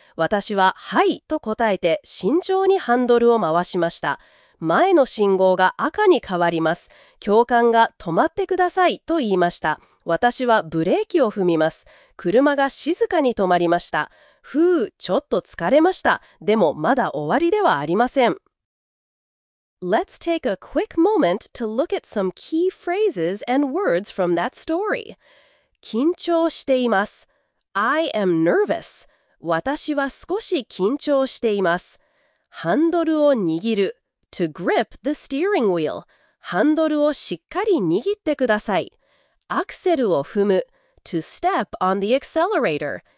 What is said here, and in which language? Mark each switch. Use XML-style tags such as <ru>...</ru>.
<ja>私は、はいと答えて慎重にハンドルを回しました。前の信号が赤に変わります。教官が止まってくださいと言いました。私はブレーキを踏みます。車が静かに止まりました。ふう、ちょっと疲れました。でもまだ終わりではありません。</ja> <en>Let's take a quick moment to look at some key phrases and words from that story.</en> <ja>緊張しています。</ja> <en>I am nervous.</en> <ja>私は少し緊張しています。ハンドルを握る。</ja> <en>To grip the steering wheel.</en> <ja>ハンドルをしっかり握ってください。アクセルを踏む。</ja> <en>To step on the accelerator.</en>